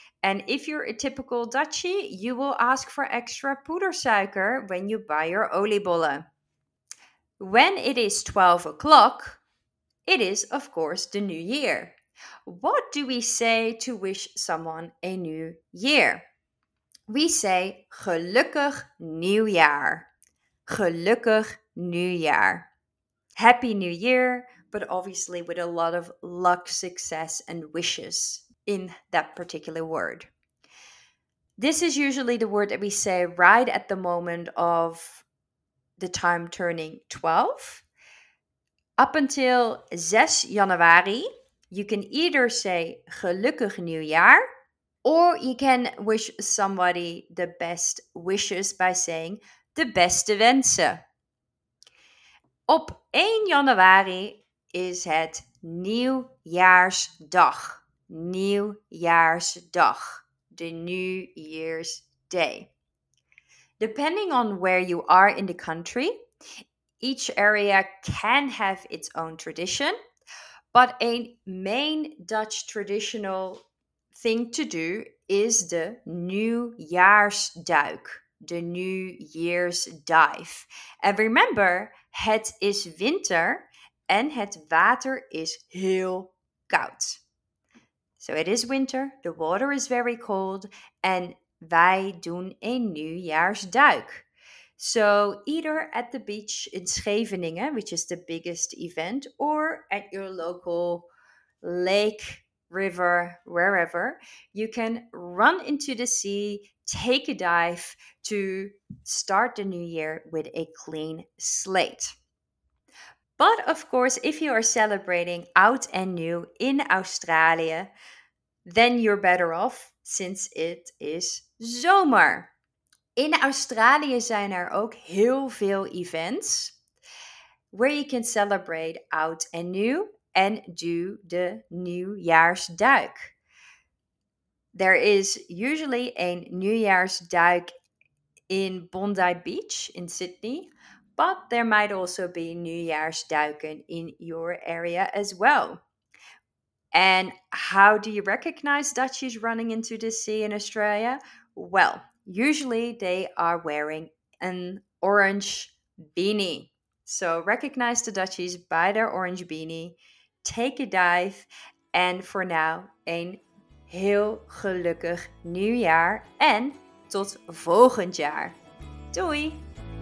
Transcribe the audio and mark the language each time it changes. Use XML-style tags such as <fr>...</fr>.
<en>And if you're a typical Dutchie, you will ask for extra poedersuiker when you buy your oliebollen. When it is 12 o'clock, it is, of course, the new year. What do we say to wish someone a new year?</en> <nl>We say, gelukkig nieuwjaar. Gelukkig nieuwjaar.</nl> <en>Happy New Year, but obviously with a lot of luck, success and wishes in that particular word. This is usually the word that we say right at the moment of the time turning 12. Up until 6 januari, you can either say gelukkig nieuwjaar, Or you can wish somebody the best wishes by saying</en> <nl>de beste wensen. Op 1 januari is het Nieuwjaarsdag.</nl> <en>Nieuwjaarsdag. The New Year's Day. Depending on where you are in the country, each area can have its own tradition, but a main Dutch traditional thing to do is the Nieuwjaarsduik, the New Year's Dive. And remember,</en> <nl>het is winter en het water is heel koud.</nl> <en>So it is winter, the water is very cold, and</en> <nl>wij doen een Nieuwjaarsduik.</nl> <en>So either at the beach in Scheveningen, which is the biggest event, or at your local lake, river, wherever, you can run into the sea, take a dive to start the new year with a clean slate. But of course, if you are celebrating oud en nieuw in Australië, then you're better off since it is zomer.</en> <nl>In Australië zijn er ook heel veel</nl> <en>events where you can celebrate oud en nieuw and do the Nieuwjaarsduik. There is usually a Nieuwjaarsduik in Bondi Beach in Sydney, but there might also be Nieuwjaarsduiken in your area as well. And how do you recognize Dutchies running into the sea in Australia? Well, usually they are wearing an orange beanie. So recognize the Dutchies by their orange beanie, take a dive, and for now,</en> <nl>een heel gelukkig nieuwjaar en tot volgend jaar. Doei!</nl>